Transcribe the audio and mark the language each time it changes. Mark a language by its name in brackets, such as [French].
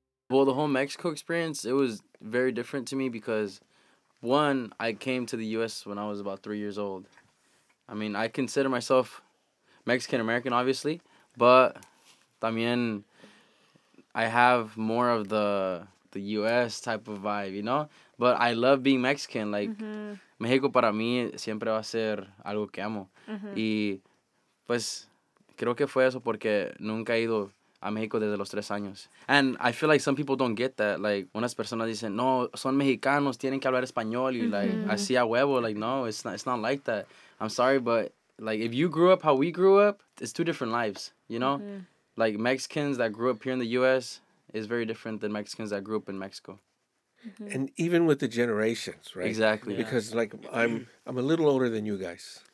[English] Well, the whole Mexico experience, it was very different to me because, one, I came to the U.S. when I was about 3 years old. I mean, I consider myself Mexican-American, obviously, but también I have more of the U.S. type of vibe, you know? But I love being Mexican. [Spanish] Like, Mexico para mí siempre va a ser algo que amo. Y pues creo que fue eso porque nunca he ido a México desde los 3 años. [English] And I feel like some people don't get that. [Spanish] Like, unas personas dicen, no, son mexicanos, tienen que hablar español. [English] Y, like, [Spanish] así a huevo. [English] Like, no, it's not like that. I'm sorry, but, like, if you grew up how we grew up, it's two different lives, you know? Mm-hmm. Like, Mexicans that grew up here in the U.S. is very different than Mexicans that grew up in Mexico. Mm-hmm. And even with the generations, right? Exactly. Yeah. Because, like, I'm a little older than you guys.